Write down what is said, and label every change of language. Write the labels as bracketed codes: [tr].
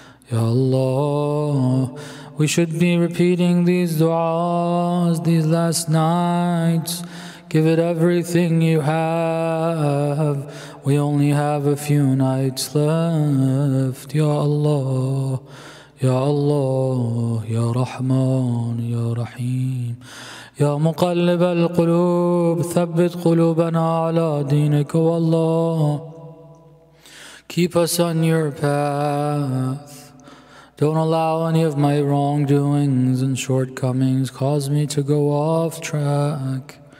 [en] Ya Allah, we should be repeating these du'as these last nights. Give it everything you have. We only have a few nights left. Ya Allah, Ya Allah, Ya Rahman, Ya Rahim. [ar] يا مقلب القلوب ثبت قلوبنا على دينك والله. [en] Keep us on your path. Don't allow any of my wrongdoings and shortcomings cause me to go off track.